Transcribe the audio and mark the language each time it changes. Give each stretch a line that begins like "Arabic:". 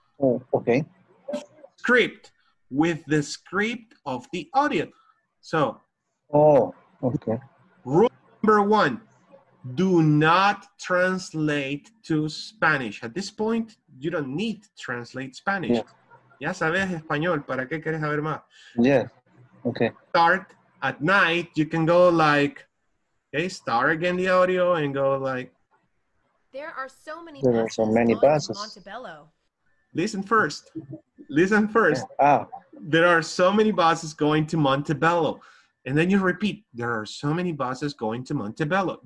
English: Oh, okay. Script with the script of the audio. So. Oh, okay. Rule number one, do not translate to Spanish. At this point, you don't need to translate Spanish. Yeah.
Spanish: Ya sabes español, ¿para qué quieres saber más?
English: Yeah, okay. Start at night, you can go like, okay, start again the audio and go like. There are so many buses. Montebello. Listen first. Yeah. Ah. There are so many buses going to Montebello. And then you repeat, there are so many buses going to Montebello.